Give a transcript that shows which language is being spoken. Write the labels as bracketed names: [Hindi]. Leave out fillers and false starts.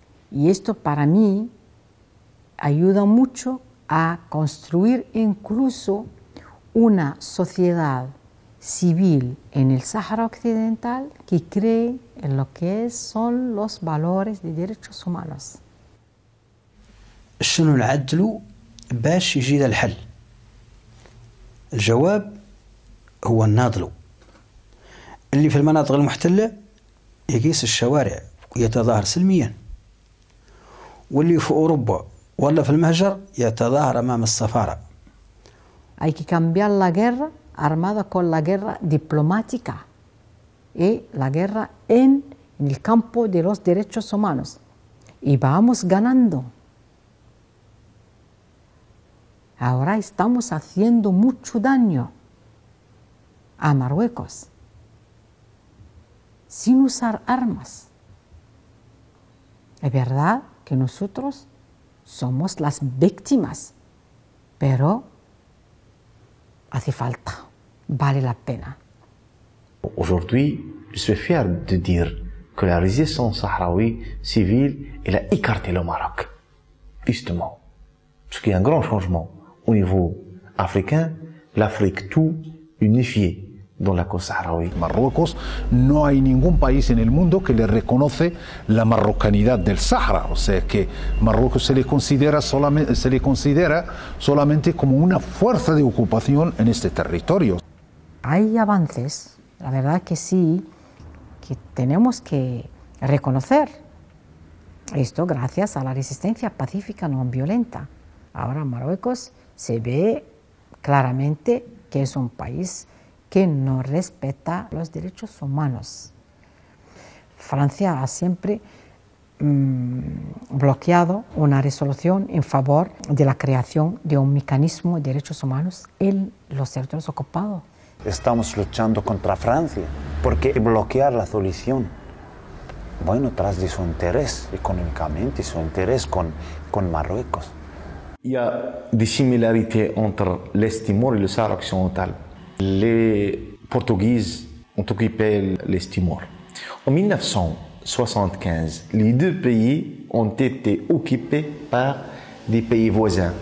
[Spanish] Y esto para mí ayuda mucho a construir incluso una sociedad civil en el Sáhara Occidental que cree en lo que son los valores de derechos humanos. [Arabic] شنو نعدلو باش يجي الحل؟ الجواب هو الناضلو اللي في المناطق المحتلة يقيس الشوارع ويتظاهر سلميا، واللي في أوروبا ولا في المهجر يتظاهر أمام السفارة. [Spanish] Hay que cambiar la guerra armada con la guerra diplomática y la guerra en el campo de los derechos humanos y vamos ganando. Ahora estamos haciendo mucho daño a Marruecos sin usar armas. Es verdad que nosotros somos las víctimas, pero hace falta, vale la pena. [French] Aujourd'hui, je suis fier de dire que la résistance sahraoui civile elle a écarté le Maroc. Justement, ce qui est un grand changement. Au niveau africain, l'Afrique tout unifiée dans la cause sahraoui. [Spanish] Marruecos, no hay ningún país en el mundo que le reconoce la marrocanidad del Sahara. O sea que Marruecos se le considera solamente como una fuerza de ocupación en este territorio. Hay avances, la verdad que sí, que tenemos que reconocer esto gracias a la resistencia pacífica no violenta. Ahora Marruecos se ve claramente que es un país que no respeta los derechos humanos. Francia ha siempre bloqueado una resolución en favor de la creación de un mecanismo de derechos humanos en los territorios ocupados. Estamos luchando contra Francia porque bloquear la solución, bueno, tras de su interés económicamente y su interés con Marruecos. [French] Il y a des similarités entre l'Est Timor et le Sahara occidental. Les Portugais ont occupé l'Est Timor. En 1975, les deux pays ont été occupés par des pays voisins.